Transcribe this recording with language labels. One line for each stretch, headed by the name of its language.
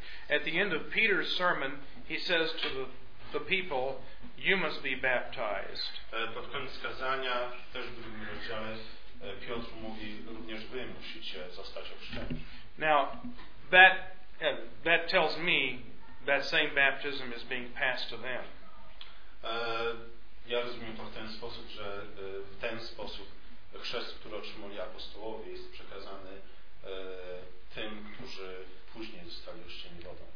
English: At the end of Peter's sermon, he says to the people, you must be baptized.
Polish: Pod koniec kazania, też w drugim rozdziale, Piotr mówi, również wy musicie zostać ochrzczeni.
English: Now, that tells me that same baptism is being passed to them.
Polish: Ja rozumiem to w ten sposób, że w ten sposób chrzest, który otrzymali apostołowie, jest przekazany tym, którzy później zostali ochrzczeni wodą.